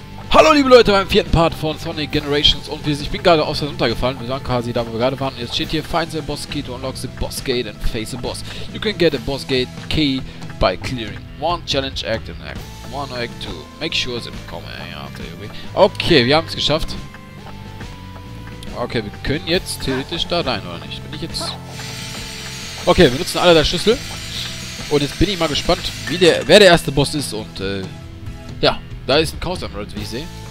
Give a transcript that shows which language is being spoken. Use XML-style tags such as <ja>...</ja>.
<de>Hallo liebe Leute beim vierten Part von Sonic Generations und ich bin gerade aus der runtergefallen. Wir waren quasi da, wo wir gerade waren. Jetzt steht hier,</de> <en>find the boss key to unlock the boss gate and face the boss. You can get a boss gate key by clearing one challenge act and act one or act two. Make sure they become after you.</en> <de>Okay, wir haben es geschafft. Okay, wir können jetzt theoretisch da rein, oder nicht? Bin ich jetzt... Okay, wir nutzen alle der Schlüssel. Und jetzt bin ich mal gespannt, wer der erste Boss ist und ja. Da ist ein Chaos Emerald, wie ich sehe.</de>